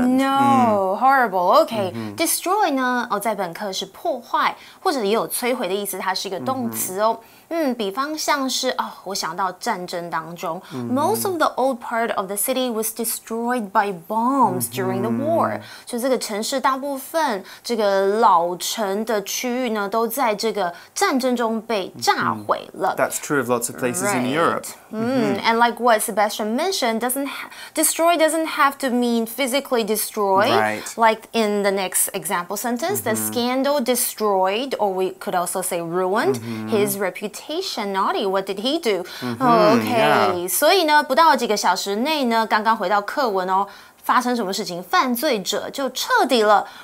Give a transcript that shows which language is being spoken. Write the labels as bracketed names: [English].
[English] I know,、horrible. [Chinese] Okay,、destroy 呢、在本课是破坏或者也有摧毁的意思，它是一个动词哦。比方像是、我想到战争当中、 [English] Most of the old part of the city was destroyed by bombs、during the war. [Chinese] 就这个城市大部分这个老城的区域呢都在这个战争中被炸毁了。 [English] That's true of lots of places、in Europe.、 And like what Sebastian mentioned, destroy doesn't have to mean physically destroy,、like in the next example sentence,、the scandal destroyed, or we could also say ruined,、his reputation. Naughty, what did he do?、 [Chinese] 所以呢，不到几个小时内呢，刚刚回到课文哦，发生什么事情，犯罪者就彻底了。